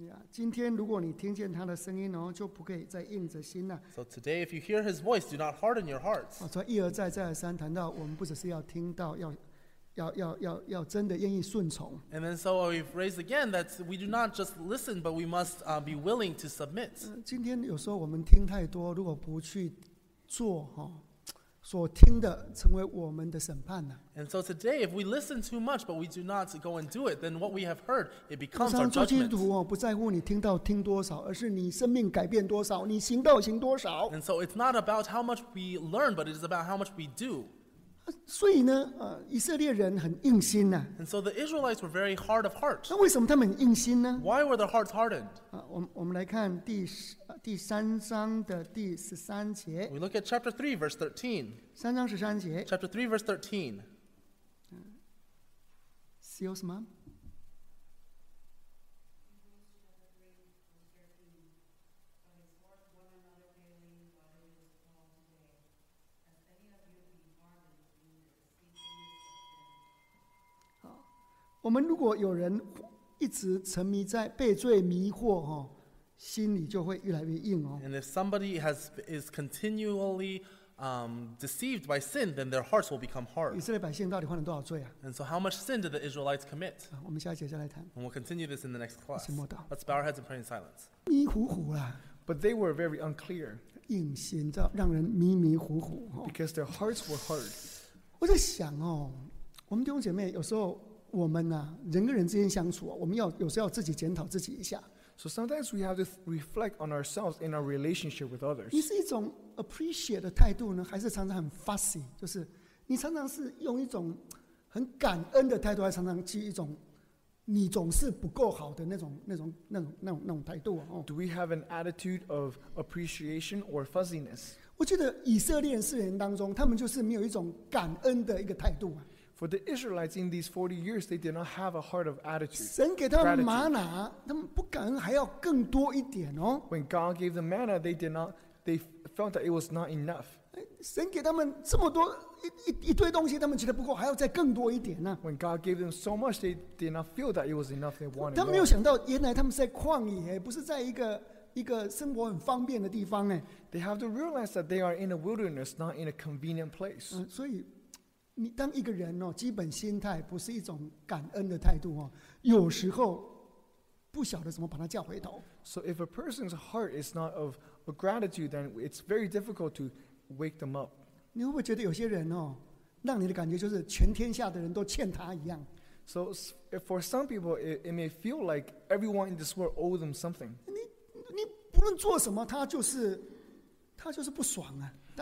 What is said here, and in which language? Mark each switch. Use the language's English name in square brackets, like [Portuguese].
[Chinese] 今天如果你听见他的声音哦，就不可以再硬着心了。 [English] So today, if you hear his voice, do not harden your hearts. [Chinese] 所以一而再、再而三谈到，我们不只是要听到，要真的愿意顺从。 [English] And then, so we've raised again that we do not just listen, but we must be willing to submit. [Chinese] 今天有时候我们听太多，如果不去做哈。所听的成为我们的审判呢。 [English] And so today, if we listen too much, but we do not go and do it, then what we have heard, it becomes our judgment. [Chinese] 常做基督徒不在乎你听到听多少，而是你生命改变多少，你行道行多少。 [English] And so it's not about how much we learn, but it is about how much we do. [Chinese] 所以呢，以色列人很硬心呢。 [English] And so the Israelites were very hard of heart. [Chinese] 那为什么他们很硬心呢 [English] ？Why were their hearts hardened? [Chinese] 我们来看第三章的第十三节。 [English] We look at chapter 3, verse 13. [Chinese] 三章十三节。 [English] Chapter 3, verse 13. Seals, mom? Okay. [Chinese] 我们如果有人一直沉迷在被罪迷惑哦。心里就会越来越硬哦。 [English] And if somebody is continually deceived by sin, then their hearts will become hard. [Chinese] 以色列百姓到底犯了多少罪啊 [English] ？And so, how much sin did the Israelites commit? [Chinese] 我们下一节再来谈。 [English] And we'll continue this in the next class. [Chinese] 请默祷。 [English] Let's bow our heads and pray in silence. [Chinese] 迷糊糊啦。 [English] But they were very unclear. [Chinese] 硬心，你知道，让人迷迷糊糊。 [English] Because their hearts were hard. [Chinese] 我在想哦，我们弟兄姐妹有时候我们人跟人之间相处，我们要有时候要自己检讨自己一下。 [English] So sometimes we have to reflect on ourselves in our relationship with others. [Chinese] 你是一种 [English] appreciate [Chinese] 的态度呢，还是常常很 [English] fussy？ [Chinese] 就是你常常是用一种很感恩的态度，还是常常是一种你总是不够好的那种态度啊？哦。 [English] Do we have an attitude of appreciation or fussiness？ [Chinese] 我觉得以色列人世人当中，他们就是没有一种感恩的一个态度啊。 [English] For the Israelites in these 40 years, they did not have a heart of attitude. [Chinese] 神给他们玛拿，他们不感恩还要更多一点哦。 [English] When God gave them manna, they did not. They felt that it was not enough. [Chinese] 神给他们这么多一堆东西，他们觉得不够，还要再更多一点呢。 [English] When God gave them so much, they did not feel that it was enough. They wanted. [Chinese] 他们没有想到，原来他们是在旷野，不是在一个生活很方便的地方哎。 [English] They have to realize that they are in a wilderness, not in a convenient place. [Chinese] 所以。你当一个人、哦、基本心态不是一种感恩的态度、哦、有时候不晓得怎么把他叫回头。 [English] So if a person's heart is not of a gratitude, then it's very difficult to wake them up. [Chinese] 你会不会觉得有些人、哦、让你的感觉就是全天下的人都欠他一样 [English] ？So for some people, it may feel like everyone in this world owes them something. [Chinese] 你不论做什么，他就是不爽啊。